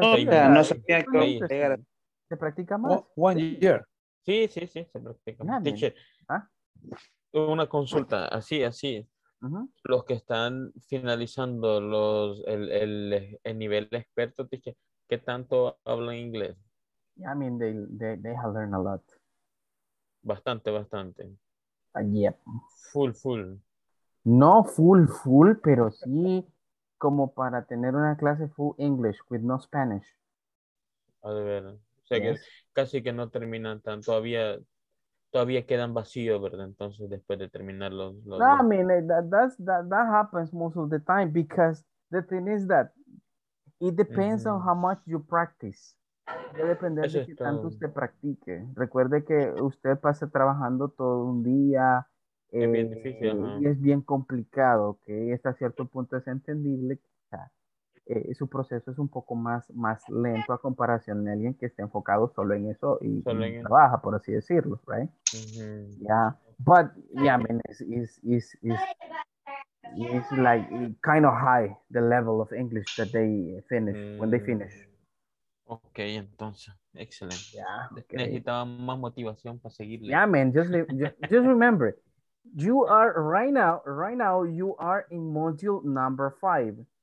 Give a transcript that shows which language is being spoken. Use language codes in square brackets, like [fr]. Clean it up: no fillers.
[es] no sabía que llegara. ¿Se practica más? [en] One year. [es] Sí, se practica más. Teacher, una consulta, así. Uh-huh. Los que están finalizando el nivel experto, teacher, ¿qué tanto hablan inglés? [en] Yeah, I mean, they have learned a lot. [es] Bastante. Yep. [en] Full. [es] No full, pero sí como para tener una clase [en] full English with no Spanish. [es] A ver, o sea, yes. Que casi que no terminan tan, todavía quedan vacíos, ¿verdad? Entonces después de terminar los... [en] No, I mean, that happens most of the time because the thing is that it depends on how much you practice. [es] Debe depender de qué tanto usted practique. Recuerde que usted pasa trabajando todo un día. Es bien difícil, ¿no? Y es bien complicado, que hasta cierto punto es entendible. Su proceso es un poco más lento a comparación de alguien que está enfocado solo en eso y trabaja, por así decirlo, right? Uh-huh. Yeah. [en] But, yeah, I mean, it's like kind of high, the level of English that they finish, when they finish. [es] Ok, entonces, excelente. Okay. Necesitaba más motivación para seguirle. [en] Yeah, man, just remember, you are right now you are in module number 5.